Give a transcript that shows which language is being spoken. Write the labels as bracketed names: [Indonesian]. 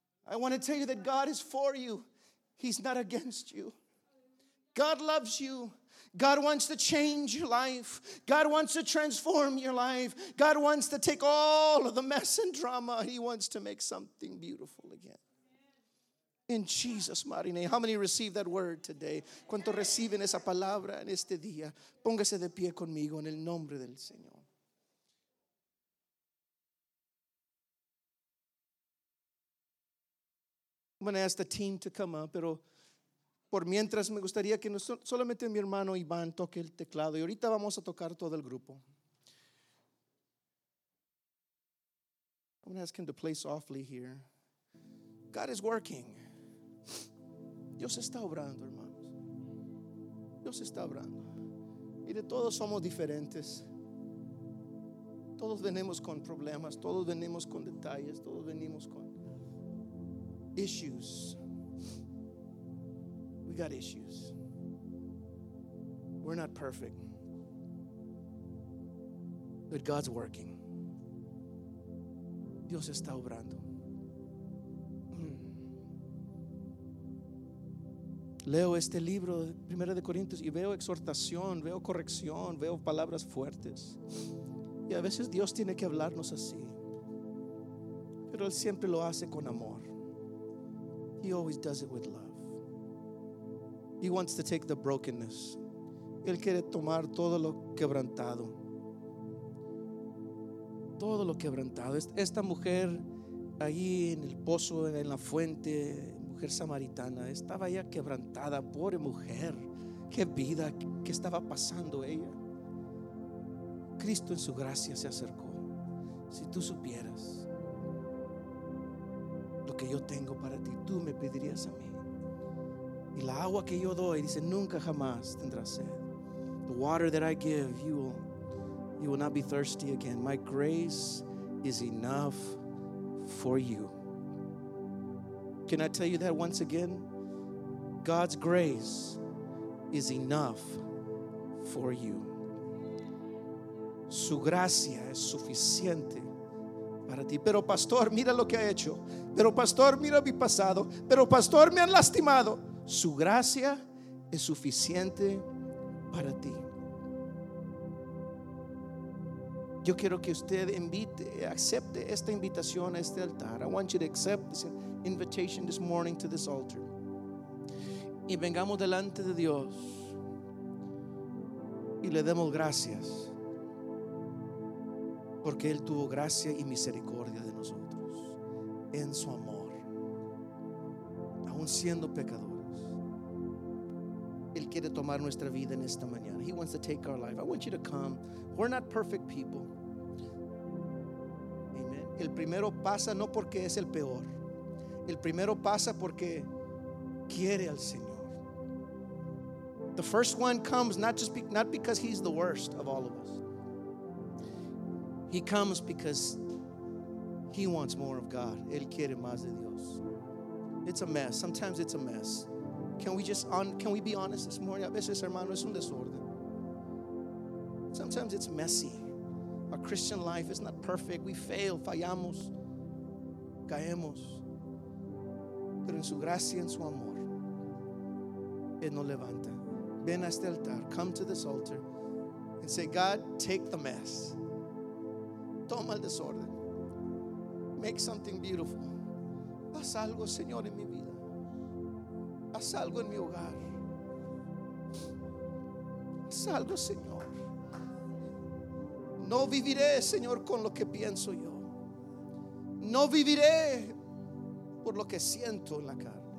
[English] I want to tell you that God is for you. He's not against you. God loves you. God wants to change your life. God wants to transform your life. God wants to take all of the mess and drama. He wants to make something beautiful again. In Jesus' mighty name. How many receive that word today? [Spanish] ¿Cuántos reciben esa palabra en este día? Póngase de pie conmigo en el nombre del Señor. [English] I'm going to ask the team to come up, [Spanish] pero por mientras me gustaría que no solamente mi hermano Iván toque el teclado, y ahorita vamos a tocar todo el grupo. [English] I'm going to ask him to play softly here. God is working. [Spanish] Dios está obrando, hermanos. Dios está obrando. Y de todos somos diferentes. Todos venimos con problemas, todos venimos con detalles, todos venimos con issues. [English] We got issues. We're not perfect. But God's working. [Spanish] Dios está obrando. Leo este libro, Primera de Corintios, y veo exhortación, veo corrección, veo palabras fuertes. Y a veces Dios tiene que hablarnos así. Pero Él siempre lo hace con amor. He always does it with love. He wants to take the brokenness. Él quiere tomar todo lo quebrantado. Todo lo quebrantado. Esta mujer ahí en el pozo, en la fuente, mujer samaritana, estaba ya quebrantada. Pobre mujer. Qué vida que estaba pasando ella. Cristo en su gracia se acercó. Si tú supieras lo que yo tengo para ti, tú me pedirías a mí. Y la agua que yo doy, dice, nunca jamás tendrás sed. [English] The water that I give, you will not be thirsty again. My grace is enough for you. Can I tell you that once again? God's grace is enough for you. [Spanish] Su gracia es suficiente para ti. Pero pastor, mira lo que ha hecho. Pero pastor, mira mi pasado. Pero pastor, me han lastimado. Su gracia es suficiente para ti. Yo quiero que usted invite, acepte esta invitación a este altar. [English] I want you to accept this invitation this morning to this altar. [Spanish] Y vengamos delante de Dios y le demos gracias porque Él tuvo gracia y misericordia de nosotros en su amor, aún siendo pecadores. Él quiere tomar nuestra vida en esta mañana. [English] He wants to take our life. I want you to come. We're not perfect people. [Spanish] El primero pasa no porque es el peor. El primero pasa porque quiere al Señor. [English] The first one comes not because he's the worst of all of us. He comes because he wants more of God. [Spanish] Él quiere más de Dios. [English] It's a mess. Sometimes it's a mess. Can we be honest this morning? [Spanish] A veces, hermano, es un desorden. [English] Sometimes it's messy. Our Christian life is not perfect. We fail, [Spanish] fallamos, caemos. Pero en su gracia, en su amor, Él nos levanta. Ven a este altar. [English] Come to this altar and say, God, take the mess. [Spanish] Toma el desorden. [English] Make something beautiful. [Spanish] Haz algo, Señor, en mi vida. Haz algo en mi hogar. Haz algo, Señor. No viviré, Señor, con lo que pienso yo. No viviré por lo que siento en la carne.